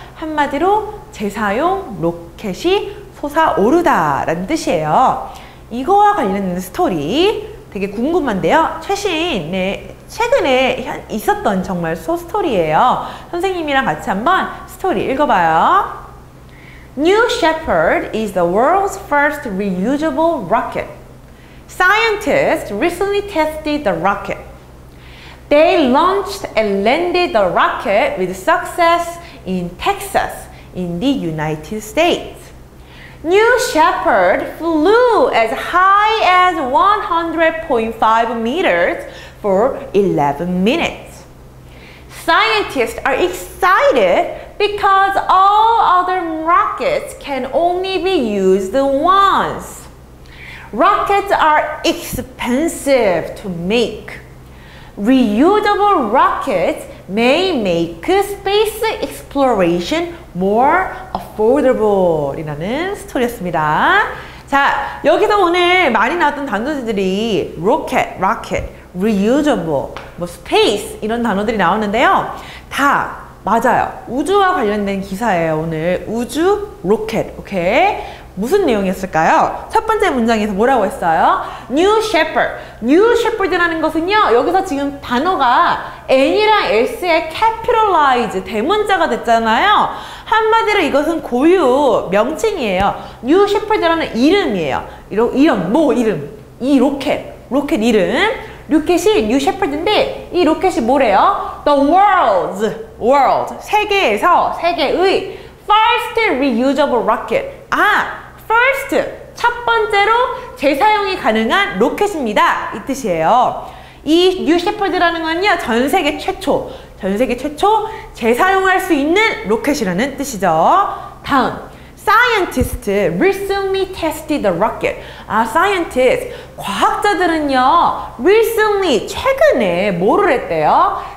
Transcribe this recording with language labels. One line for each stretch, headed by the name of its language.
Korean: 한마디로 재사용 로켓이 솟아오르다 라는 뜻이에요. 이거와 관련된 스토리 되게 궁금한데요. 최근에 있었던 정말 소스토리예요. 선생님이랑 같이 한번 스토리 읽어봐요.
English: New Shepard is the world's first reusable rocket. Scientists recently tested the rocket. They launched and landed the rocket with success in Texas in the United States. New Shepard flew as high as 100.5 meters for 11 minutes. Scientists are excited because all other rockets can only be used once. Rockets are expensive to make. Reusable rockets may make space exploration more affordable
Korean: 이라는 스토리였습니다. 자, 여기서 오늘 많이 나왔던 단어들이 rocket, reusable, 뭐 space 이런 단어들이 나왔는데요. 다 맞아요. 우주와 관련된 기사예요, 오늘. 우주 로켓. 오케이. 무슨 내용이었을까요? 첫 번째 문장에서 뭐라고 했어요?
English: New Shepard.
Korean: New Shepard라는 것은요, 여기서 지금 단어가 N이랑 S의 capitalize, 대문자가 됐잖아요. 한마디로 이것은 고유 명칭이에요. New Shepard라는 이름이에요. 이름, 뭐 이름? 이 로켓. 로켓 이름. 로켓이 New Shepard인데, 이 로켓이 뭐래요?
English: The world.
Korean: 세계의
English: first reusable rocket.
Korean: 아, first. 첫 번째로 재사용이 가능한 로켓입니다. 이 뜻이에요. 이 New Shepard라는 건요, 전 세계 최초 재사용할 수 있는 로켓이라는 뜻이죠. 다음.
English: Scientists recently tested the rocket.
Korean: 아, scientists. 과학자들은요, recently, 최근에 뭐를 했대요?